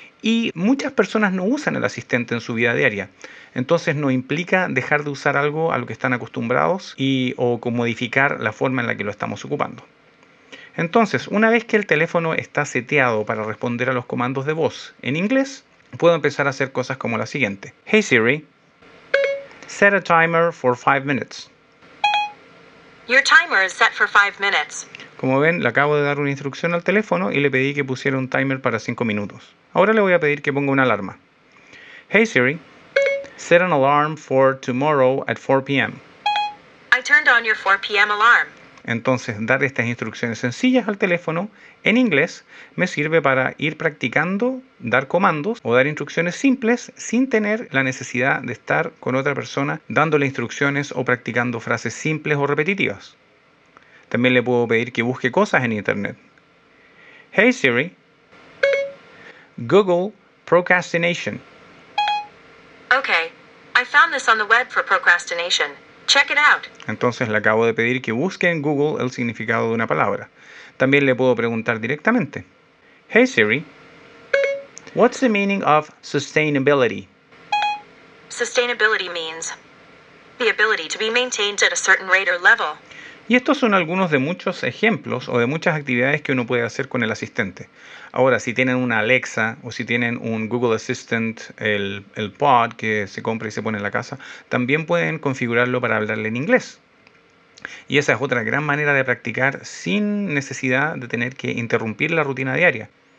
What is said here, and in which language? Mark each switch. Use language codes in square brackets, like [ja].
[es] Y muchas personas no usan el asistente en su vida diaria. Entonces no implica dejar de usar algo a lo que están acostumbrados o modificar la forma en la que lo estamos ocupando. Entonces, una vez que el teléfono está seteado para responder a los comandos de voz en inglés, puedo empezar a hacer cosas como la siguiente. [en] Hey Siri. Set a timer for 5 minutes. Your timer is set for 5 minutes. [es] Como ven, le acabo de dar una instrucción al teléfono y le pedí que pusiera un timer para 5 minutos. Ahora le voy a pedir que ponga una alarma. Hey Siri, set an alarm for tomorrow at 4 p.m. I turned on your 4 p.m. alarm. Entonces, dar estas instrucciones sencillas al teléfono en inglés me sirve para ir practicando, dar comandos o dar instrucciones simples sin tener la necesidad de estar con otra persona dándole instrucciones o practicando frases simples o repetitivas. También le puedo pedir que busque cosas en internet. [en] Hey Siri, Google procrastination. Okay, I found this on the web for procrastination. Check it out. [es] Entonces le acabo de pedir que busque en Google el significado de una palabra. También le puedo preguntar directamente. [en] Hey Siri, what's the meaning of sustainability? Sustainability means the ability to be maintained at a certain rate or level. [es] Y estos son algunos de muchos ejemplos o de muchas actividades que uno puede hacer con el asistente. Ahora, si tienen una Alexa o si tienen un Google Assistant, el pod que se compra y se pone en la casa, también pueden configurarlo para hablarle en inglés. Y esa es otra gran manera de practicar sin necesidad de tener que interrumpir la rutina diaria.